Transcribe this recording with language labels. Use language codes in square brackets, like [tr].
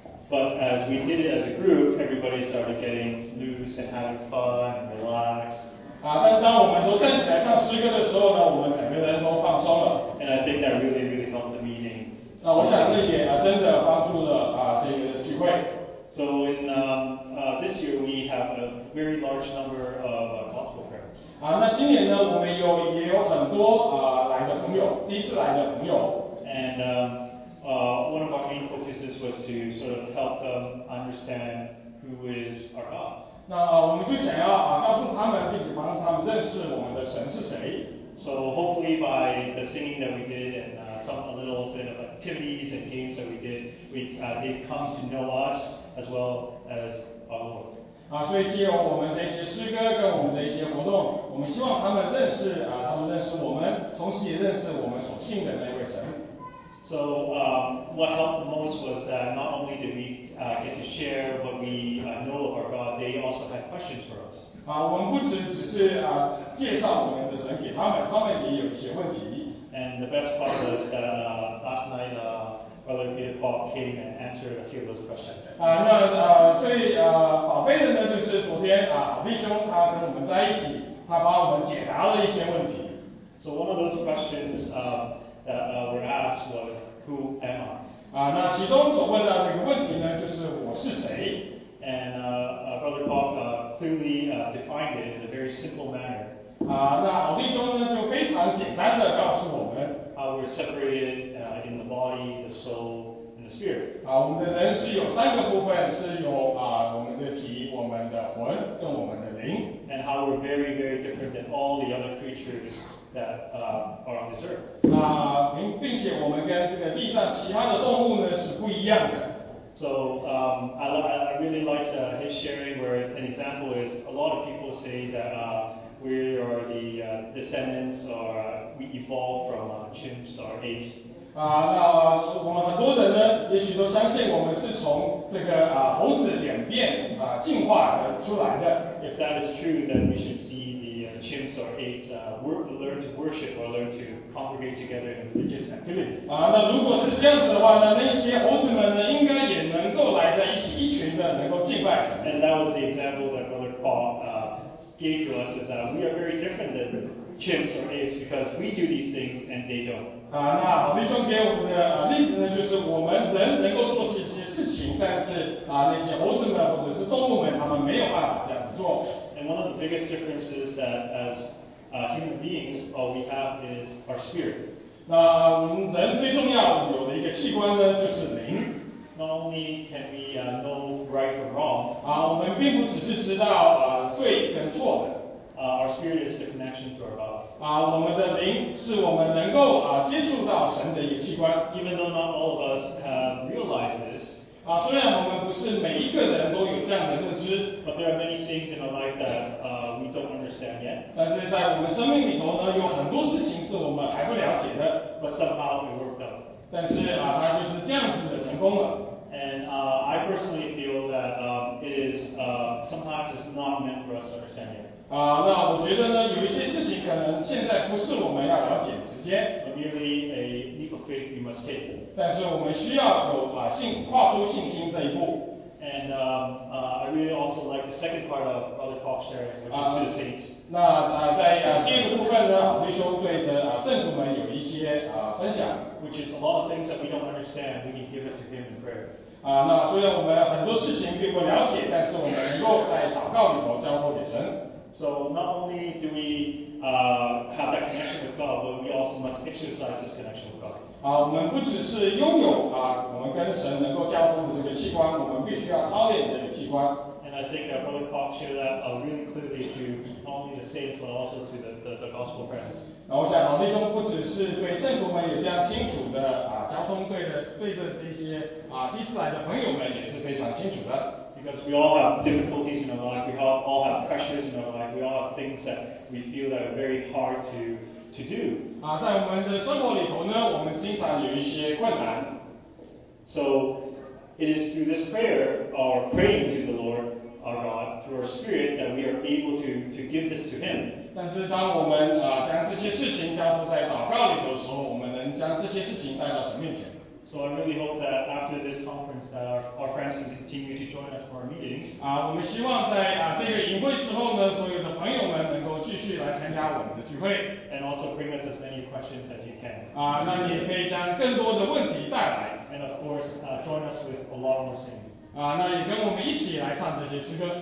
[en] But as we did it as a group, everybody started getting loose and having fun and relaxed. [zh] 啊，但是当我们都站起来唱诗歌的时候呢，我们整个人都放松了。 [en] And I think that really helped the meeting. [zh] 那我想这一点啊，真的帮助了啊这个聚会。 [en] So in this year we have a very large number of gospel parents. [zh] 啊，那今年呢，我们也有很多来的朋友，第一次来的朋友。 [en] And one of our main focuses was to sort of help them understand who is our God. [zh] 那我们就想要告诉他们，并且帮他们认识我们的神是谁。 [en] So hopefully by the singing that we did and some a little bit of activities and games that we did, they've come to know us as well as our Lord. [zh] 啊，所以借由我们这些诗歌跟我们的一些活动，我们希望他们认识啊，他们认识我们，同时也认识我们所信的那位神。 [en] So what helped the most was that not only did we get to share what we know of our God, they also had questions for us. [zh] 啊，我们不只是啊介绍我们的神给他们也有一些问题。 [en] And the best part was that last night, Brother Peter Paul came and answered a few of those questions. [zh] 宝贝的呢，就是昨天啊，弟兄他跟我们在一起，他帮我们解答了一些问题。 [en] So one of those questions that were asked was, "Who am I?" [zh] 啊，那其中所问的这个问题呢，就是我是谁。 [en] And Brother Paul clearly defined it in a very simple manner. [zh] 啊，那好弟兄呢就非常简单的告诉我们 [en] ，How we're separated in the body, the soul, and the spirit. [zh] 啊，我们的人是有三个部分，是有啊我们的体、我们的魂跟我们的灵。 [en] And how we're very, very different than all the other creatures that are on this earth. [zh] 那并且我们跟这个地上其他的动物呢是不一样的。 [en] So I really liked his sharing where an example is a lot of people say that. We are the descendants, or we evolved from chimps or apes. [zh] 啊，那我们很多人呢，也许都相信我们是从这个猴子演变进化出来的。 [en] If that is true, then we should see the chimps or apes learn to worship or learn to congregate together in religious activities. [zh] 啊，那如果是这样子的话呢，那些猴子们呢，应该也能够来在一起一群的能够敬拜神。 [en] And that was the example that Brother Paul. Gave to us is that we are very different than chimps or apes because we do these things and they don't. [zh] 啊，那好弟兄给我们的例子呢，就是我们人能够做这些事情，但是啊，那些猴子们或者是动物们，他们没有办法这样做。 [en] And one of the biggest differences is that as human beings, all we have is our spirit. [zh] 那我们人最重要有的一个器官呢，就是灵。 [en] Not only can we know right from wrong. [zh] 啊，我们并不只是知道对跟错的。 [en] Our spirit is the connection to our God. [zh] 啊，我们的灵是我们能够接触到神的一个器官。 [en] Even though not all of us realize this. [zh] 啊，虽然我们不是每一个人都有这样的认知。 [en] But there are many things in our life that we don't understand yet. [zh] 但是在我们生命里头呢，有很多事情是我们还不了解的。 [en] But somehow we work out. [zh] 但是啊，他就是这样子的成功了。 [en] And I personally feel that it is somehow just not meant for us to understand yet. [zh] 那我觉得呢，有一些事情可能现在不是我们要了解的时间。 [en] But merely a leap of faith we must take. [zh] 但是我们需要有把信跨出信心这一步。 [en] And I really also like the second part of Brother Fox sharing, which is to the saints. [zh] 那在第二个部分呢，好弟兄对着圣徒们有一些分享。 [en] Which is a lot of things that we don't understand, we can give it to Him in prayer. [zh] 那虽然我们很多事情并不了解，但是我们能够在祷告里头交托给神。 [en] So not only do we have that connection with God, but we also must exercise this connection with God. [zh] 我们不只是拥有我们跟神能够交通的这个器官，我们必须要操练这个器官。 [en] And I think that Brother Fox shared that really clearly to not only the saints but also to the gospel friends. [zh] 那我想，老弟兄不只是对圣徒们有这样清楚的交通，对着这些第四来的朋友们也是非常清楚的。 [en] Because we all have difficulties in our life, we all have pressures in our life, we all have things that we feel that are very hard to do. [zh] 在我们的生活里头呢，我们经常有一些困难。 [en] So it is through this prayer, our praying to the Lord, our God, through our spirit, that we are able to give this to Him. [zh] 但是当我们将这些事情交付在祷告里头的时候，我们能将这些事情带到神面前。 [en] So I really hope that after this conference that our friends can continue to join us for our meetings. [zh] 我们希望在这个营会之后呢，所有的朋友们能够继续来参加我们的聚会。 [en] And also bring us as many questions as you can. [zh] 那你也可以将更多的问题带来。 [en] And of course, join us with a lot more singing. [zh] 那也跟我们一起来唱这些诗歌。